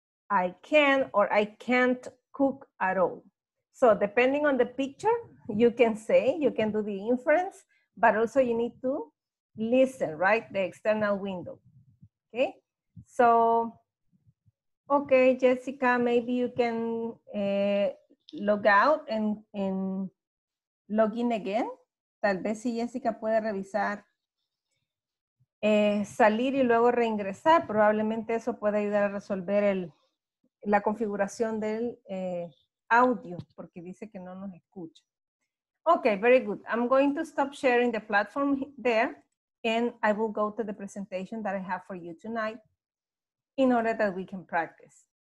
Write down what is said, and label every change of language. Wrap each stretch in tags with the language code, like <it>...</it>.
<en>I can or I can't cook at all. So depending on the picture, you can say, you can do the inference, but also you need to listen, right? The external window, okay? So, okay, Jessica, maybe you can log out and log in again.</en> <es>Tal vez si Jessica puede revisar, salir y luego reingresar, probablemente eso puede ayudar a resolver la configuración del audio, porque dice que no nos escucha.</es> <en>Okay, very good. I'm going to stop sharing the platform there, and I will go to the presentation that I have for you tonight in order that we can practice.</en>